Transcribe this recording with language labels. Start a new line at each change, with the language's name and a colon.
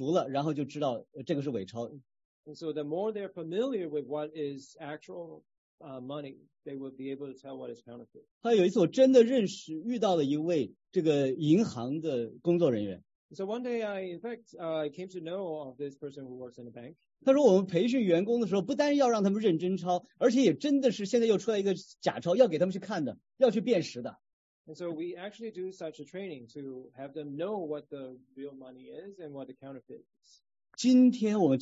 Chinese: 让他们拿着真钞不断地去摸,不断地去看,看熟了,然后就知道这个是伪钞。
English: And so the more they're familiar with what is actual money, they will be able to tell what is counterfeit.
Chinese: 还有一次我真的认识,遇到了一位这个银行的工作人员。
English: So one day I came to know of this person who works in a bank.
Chinese: 他说我们培训员工的时候,不单要让他们认真钞,而且也真的是现在又出来一个假钞,要给他们去看的,要去辨识的。
English: And so we actually do such a training to have them know what the real money is and what the counterfeit is.